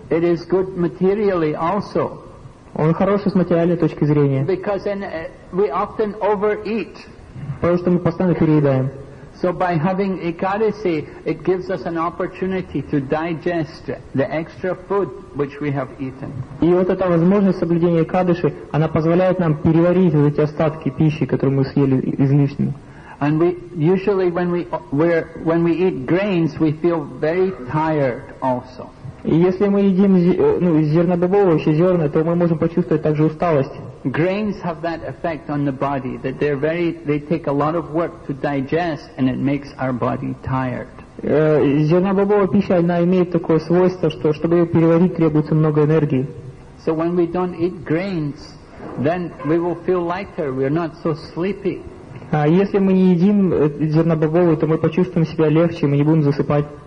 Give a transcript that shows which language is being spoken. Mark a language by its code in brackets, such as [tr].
[en] It is good materially also. [ru] Он хороший с материальной точки зрения. [en] Because then we often overeat. [ru] Потому что мы постоянно переедаем. [en] So by having Ekadasi, it gives us an opportunity to digest the extra food which we have eaten. [ru] И вот эта возможность соблюдения Экадыши, она позволяет нам переварить вот эти остатки пищи, которые мы съели излишне. [en] And we usually when we eat grains, we feel very tired also. [ru] И если мы едим зернобобовые зерна, то мы можем почувствовать также усталость. [en] Grains have that effect on the body that they take a lot of work to digest and it makes our body tired. [ru] Зернобобовая пища, она имеет такое свойство, что чтобы ее переварить, требуется много энергии. [en] So when we don't eat grains, then we will feel lighter. We're not so sleepy. [ru] Если мы не едим зернобобовые, то мы почувствуем себя легче, мы не будем засыпать.